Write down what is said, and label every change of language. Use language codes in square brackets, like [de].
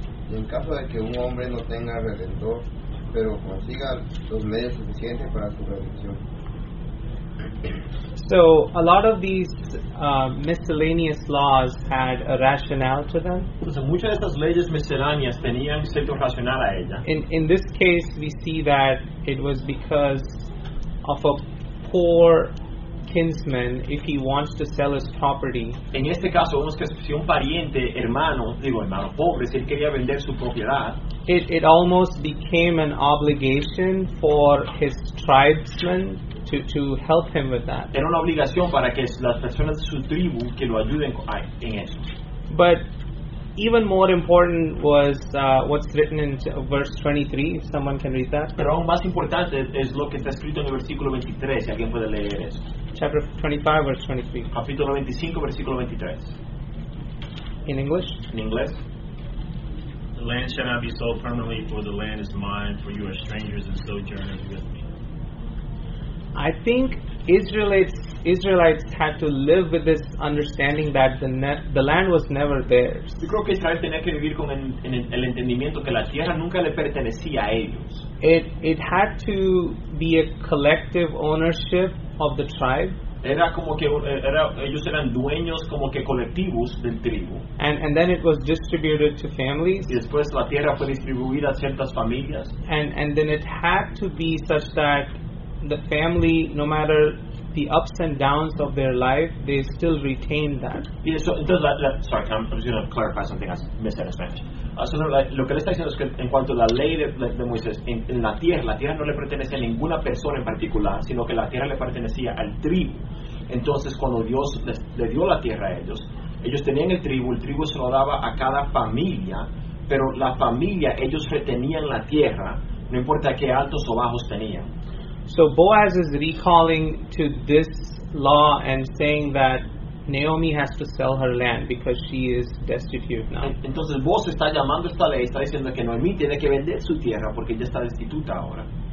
[es] Y en caso de que un hombre no tenga redentor, pero consiga los medios suficientes para su redención. [en] So a lot of these miscellaneous laws had a rationale to them. [es] Entonces, muchas de estas leyes misceláneas tenían cierto racional a ella. [en] In this case, we see that it was because of a poor kinsman if he wants to sell his property. [es] En este caso, vemos que si un pariente, hermano pobre, si él quería vender su propiedad, [en] it almost became an obligation for his tribesmen to help him with that. [es] Era una obligación para que las personas de su tribu que lo ayuden en eso. [en] But even more important was what's written in verse 23, if someone can read that. [es] Pero aún más importante es lo que está escrito en el versículo 23, si alguien puede leer eso. [en] Chapter 25, verse 23. [es] Capítulo 25, versículo 23. [en] In English? In English. The land shall not be sold permanently, for the land is mine, for you are strangers and sojourners with me. I think Israelites had to live with this understanding that the land was never theirs. [es] Yo creo que Israel tenía que vivir con el entendimiento que la tierra nunca le pertenecía a ellos. [en] It had to be a collective ownership of the tribe. [es] Era como que ellos eran dueños como que colectivos del tribu. [en] And then it was distributed to families. [es] Y después la tierra fue distribuida a ciertas familias. [en] And then it had to be such that the family, no matter the ups and downs of their life, they still retain that. Yeah, so, entonces, I'm just going to clarify something I missed out in Spanish. [es] So, lo que le está diciendo es que en cuanto a la ley de Moisés, en la tierra no le pertenece a ninguna persona en particular, sino que la tierra le pertenecía al tribu. Entonces, cuando Dios le dio la tierra a ellos, ellos tenían el tribu se lo daba a cada familia, pero la familia, ellos retenían la tierra, no importa qué altos o bajos tenían. [en] So Boaz is recalling to this law and saying that Naomi has to sell her land because she is destitute now. [es] Entonces Boaz está llamando esta ley, está diciendo que Noemí tiene que vender su tierra porque ella está destituta ahora.